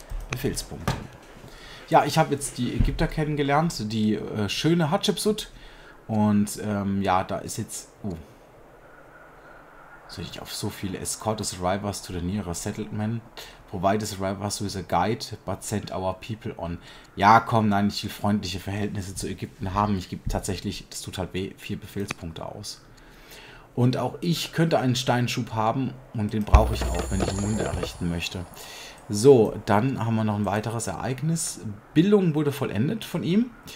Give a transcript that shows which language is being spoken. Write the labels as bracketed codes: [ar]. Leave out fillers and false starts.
[de] Befehlspunkte. Ja, ich habe jetzt die Ägypter kennengelernt, die schöne Hatschepsut. Und ja, da ist jetzt. Oh. Soll ich auf so viele [en] Escort the survivors to the nearest settlement? Provide the survivors with a guide, but send our people on. [de] Ja, komm, nein, ich will freundliche Verhältnisse zu Ägypten haben. Ich gebe tatsächlich, das tut halt weh, 4 Befehlspunkte aus. Und auch ich könnte einen Steinschub haben und den brauche ich auch, wenn ich einen Mund errichten möchte. So, dann haben wir noch ein weiteres Ereignis. Bildung wurde vollendet von ihm.